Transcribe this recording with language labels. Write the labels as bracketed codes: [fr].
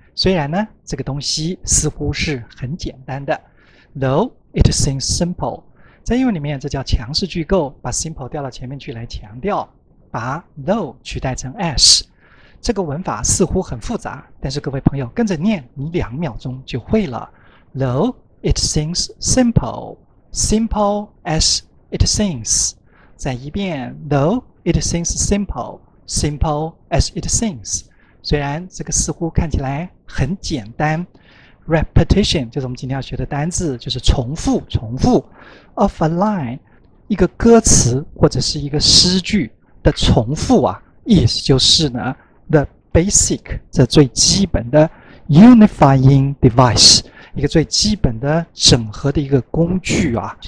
[zh] 虽然呢，这个东西似乎是很简单的 ， though it seems simple，在英文里面这叫强势句构，把 simple 调到前面去来强调，把 though 取代成 as， 这个文法似乎很复杂，但是各位朋友跟着念，你2秒钟就会了。 [en] Though it seems simple， simple as it seems，再一遍，though it seems simple， simple as it seems。 [zh] 虽然这个似乎看起来很简单 ，repetition 就是我们今天要学的单字，就是重复、重复。 of a line，一个歌词或者是一个诗句的重复啊，意思就是呢 ， the basic 这最基本的 unifying device，一个最基本的整合的一个工具啊。